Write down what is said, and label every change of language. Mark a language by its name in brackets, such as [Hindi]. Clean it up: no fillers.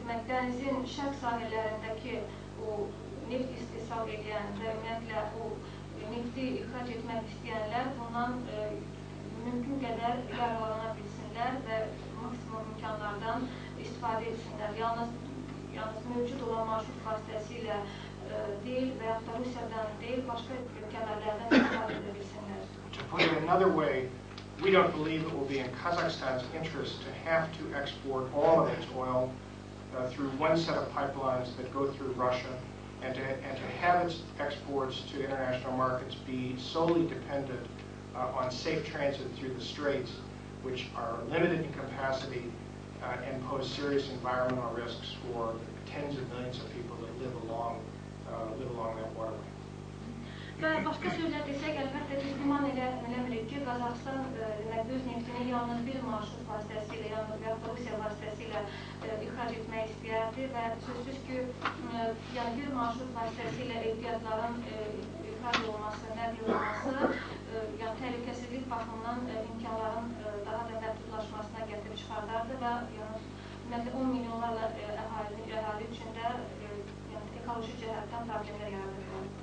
[Azerbaijani] dənizin şərq sahillərindəki o neft istehsal edən və ümumiyyətlə o nefti ixrac etmək istəyənlər bundan mümkün qədər yararlana bilsin və maksimum imkanlardan istifadə etsinlər. Yalnız mövcud olan marşrut vasitəsilə deyil və yaxud da Rusiyadan deyil, başqa ölkələrdən istifadə edə bilsinlər. [English] To put it another way, we don't believe it will be in Kazakhstan's interest to have to export all of its oil through one set of pipelines that go through Russia and to have its exports to international markets be solely dependent on safe transit through the straits, which are limited in capacity and pose serious environmental risks for tens of millions of people that live along that waterway. [Azerbaijani] Və başqa sözlə desək, əlbəttə biz güman eləmirik ki, Qazaxıstan öz neftini yalnız bir marşrut vasitəsilə, yalnız və yaxud da Rusiya vasitəsilə ixrac etmək istəyərdi və sözsüz ki, yəni bir marşrut vasitəsilə ehtiyatların ixrac olması, nəql olması, yəni təhlükəsizlik baxımından imkanların daha da məhdudlaşmasına gətirib çıxardardı və yəni ümumiyyətlə 10 milyonlarla əhali üçün də ekoloji cəhətdən problemlər yaradırdı.